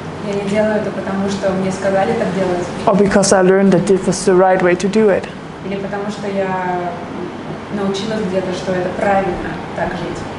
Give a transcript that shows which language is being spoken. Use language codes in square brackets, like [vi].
[ru] Я не делаю это, потому что мне сказали так делать. [en] Or because I learned that this is the right way to do it. [ru] Или потому что я научилась где-то, что это правильно так жить.